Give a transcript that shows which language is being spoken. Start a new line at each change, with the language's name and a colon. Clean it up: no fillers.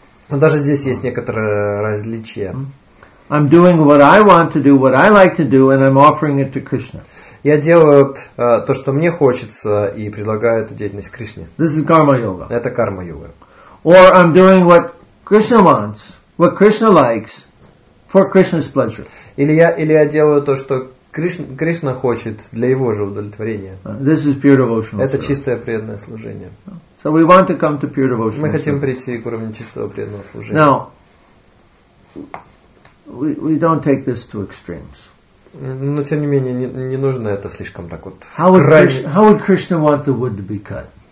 Russian: Но даже здесь есть некоторое различие.
English: I'm doing what I want to do, what I like to do, and I'm offering it to Krishna.
Russian: Я делаю то, что мне хочется, и предлагаю эту деятельность Кришне.
English: This is karma yoga.
Russian: Это карма йога.
English: Or I'm doing what Krishna wants, what Krishna likes, for Krishna's pleasure.
Russian: Или я делаю то, что Кришна хочет для его же удовлетворения.
English: This is pure devotional.
Russian: Это чистое преданное служение.
English: So we want to come to pure devotional.
Russian: Мы хотим прийти к уровню чистого преданного служения.
English: Now, we don't take this to extremes.
Russian: Но тем не менее не нужно это слишком так вот.
English: How would Krishna want the wood to be cut?